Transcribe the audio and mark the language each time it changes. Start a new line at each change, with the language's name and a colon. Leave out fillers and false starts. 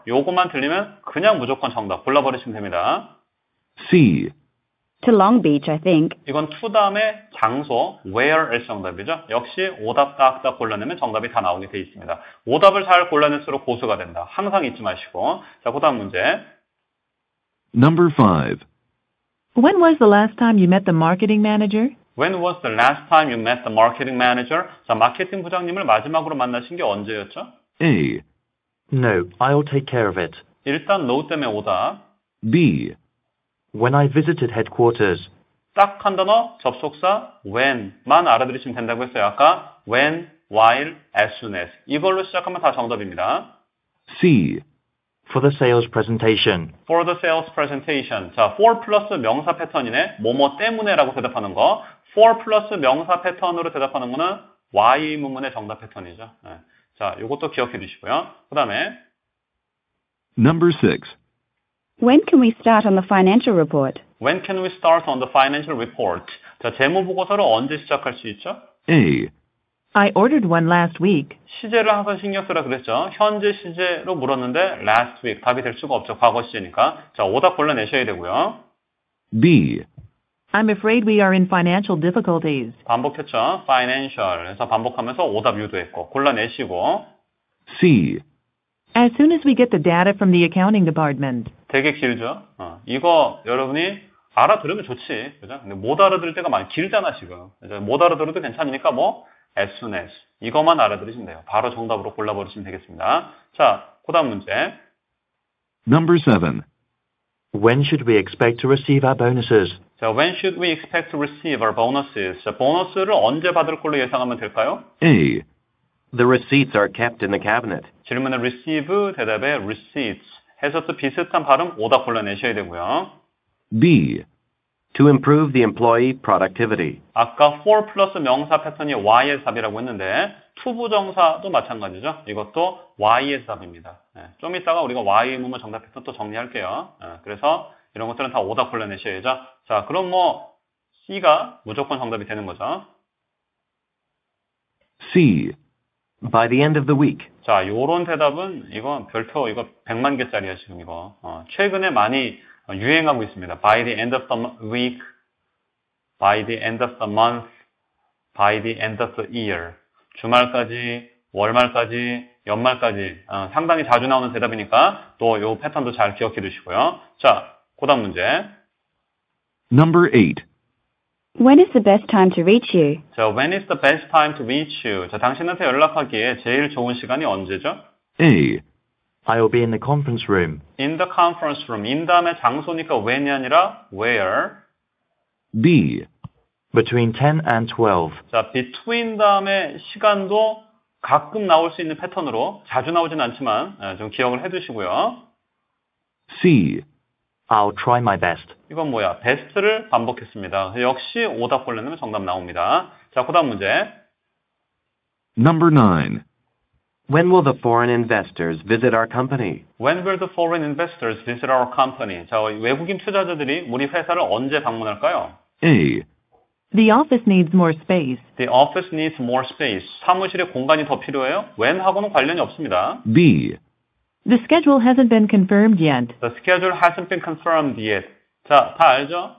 Korean: 요것만 들리면 그냥 무조건 정답 골라버리시면 됩니다.
English: C. To Long Beach, I think.
Korean: 이건 to 다음에 장소, where 에서 정답이죠. 역시 오답 딱딱 골라내면 정답이 다 나오게 돼 있습니다. 오답을 잘 골라낼수록 고수가 된다. 항상 잊지 마시고. 자, 그 다음 문제.
English: Number 5. When was the last time you met the marketing manager? When was the last time you met the marketing manager?
Korean: 자, 마케팅 부장님을 마지막으로 만나신 게 언제였죠?
English: A. No, I'll take care of it.
Korean: 일단 no 때문에 오답.
English: B. When I visited headquarters.
Korean: 딱 한 단어, 접속사, when만 알아들으시면 된다고 했어요. 아까 when, while, as soon as. 이걸로 시작하면 다 정답입니다.
English: C. For the sales presentation. For the sales presentation.
Korean: 자, for 플러스 명사 패턴이네. 뭐뭐 때문에라고 대답하는 거. For 플러스 명사 패턴으로 대답하는 거는 why 문문의 정답 패턴이죠. 네. 자, 이것도 기억해 두시고요. 그 다음에
English: Number 6. When can we start on the financial report? When can we start on the financial report?
Korean: 자, 재무보고서를 언제 시작할 수 있죠?
English: A. I ordered one last week.
Korean: 시제를 항상 신경 쓰라 그랬죠. 현재 시제로 물었는데 last week 답이 될 수가 없죠. 과거 시제니까. 자, 오답 골라내셔야 되고요.
English: B. I'm afraid we are in financial difficulties.
Korean: 반복했죠. Financial. 그래서 반복하면서 오답 유도했고 골라내시고.
English: C. As soon as we get the data from the accounting department.
Korean: 되게 길죠. 이거 여러분이 알아들으면 좋지. 그죠? 근데 못 알아들을 때가 많이 길잖아 지금. 이제 못 알아들어도 괜찮으니까 뭐 as soon as 이것만 알아들으시면 돼요. 바로 정답으로 골라버리시면 되겠습니다. 자, 그다음 문제.
English: Number 7. When should we expect to receive our bonuses? 자, when should we expect to receive our bonuses?
Korean: 자, 보너스를 언제 받을 걸로 예상하면 될까요?
English: A. The receipts are kept in the cabinet.
Korean: 질문에 receive, 대답에 receipts. 해석도 비슷한 발음 오답 골라내셔야 되고요.
English: B. To improve the employee productivity.
Korean: 아까 for 플러스 명사 패턴이 why의 답이라고 했는데 to 부정사도 마찬가지죠. 이것도 why의 답입니다. 네, 좀 이따가 우리가 why 문문 정답 패턴 또 정리할게요. 네, 그래서 이런 것들은 다 오답 골라내셔야죠. 자, 그럼 뭐 C가 무조건 정답이 되는 거죠.
English: C. By the end of the week.
Korean: 자, 요런 대답은 이건 별표 이거 100만 개짜리야 지금 이거. 최근에 많이 유행하고 있습니다.
English: By the end of the week, by the end of the month, by the end of the year.
Korean: 주말까지, 월말까지, 연말까지 상당히 자주 나오는 대답이니까 또 요 패턴도 잘 기억해 두시고요. 자, 그 다음 문제.
English: Number 8. When is the best time to reach you? 자, when is the best time to reach you?
Korean: 자, 당신한테 연락하기에 제일 좋은 시간이 언제죠?
English: A. I'll be in the conference room. In the conference room.
Korean: In 다음에 장소니까 when이 아니라 where.
English: B. Between 10 and 12.
Korean: 자, between 다음에 시간도 가끔 나올 수 있는 패턴으로 자주 나오진 않지만 좀 기억을 해두시고요.
English: C. I'll try my best.
Korean: 이건 뭐야? best를 반복했습니다. 역시 오답 골라내면 정답 나옵니다. 자, 그 다음 문제.
English: Number 9. When will the foreign investors visit our company? When will the foreign investors visit our company?
Korean: 자, 외국인 투자자들이 우리 회사를 언제 방문할까요?
English: A. The office needs more space. The office needs more space.
Korean: 사무실에 공간이 더 필요해요? When 하고는 관련이 없습니다.
English: B. The schedule hasn't been confirmed yet. The schedule hasn't been confirmed yet. 자, 다 알죠?